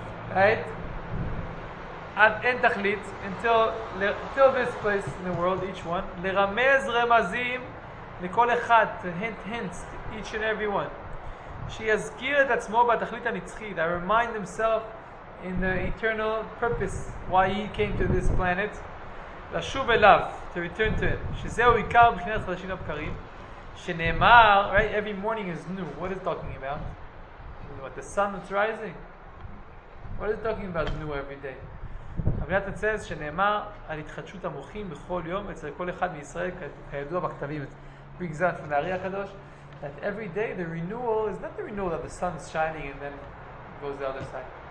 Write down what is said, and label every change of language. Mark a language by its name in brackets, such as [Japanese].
[English] Right? Until this place in the world, each one, [Hebrew] לרמז רמזים לכל אחד, [English] to hint each and every one. [Hebrew] שיזכיר את עצמו בתכלית הנצחית, [English] I remind himself in the eternal purpose why he came to this planet, [Hebrew] לשוב אליו, [English] to return to him. [Hebrew] שזהו עיקר בחינת חדשים הבקרים, שנאמר, [English] right, every morning is new. What is it talking about? What, the sun is rising? What is it talking about new every day? [Hebrew] אבינת הצז שנאמר על התחדשות המוחים בכל יום אצל כל אחד מישראל כידוע בכתבים [English] brings out from the Ari HaKadosh that every day the renewal is not the renewal that the sun is shining and then goes the other side.